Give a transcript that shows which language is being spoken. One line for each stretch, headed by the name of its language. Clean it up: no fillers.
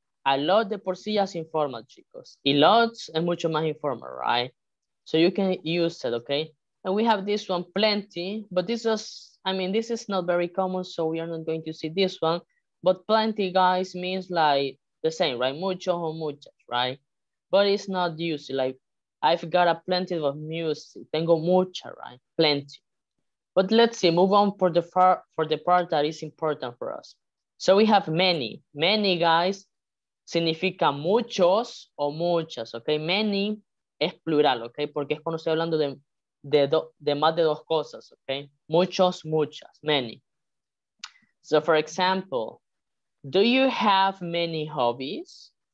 Spanish: A lot de por sí ya es informal, chicos. Y lots es mucho más informal,
English: right? So you can use it, okay? And we have this one, plenty, but this is, I mean, this is not very common, so we are not going to see this one. But plenty, guys, means like the same, right?
Spanish: Mucho o muchas,
English: right? But it's not used, like, I've got a plenty of music.
Spanish: Tengo mucha,
English: right? Plenty. But let's see, move on for the part that is important for us. So we have many. Many, guys,
Spanish: significa muchos o muchas,
English: okay?
Spanish: Many es plural, okay? Porque es cuando estoy hablando de más de dos cosas, okay? Muchos, muchas, many.
English: So for example, do you have many hobbies?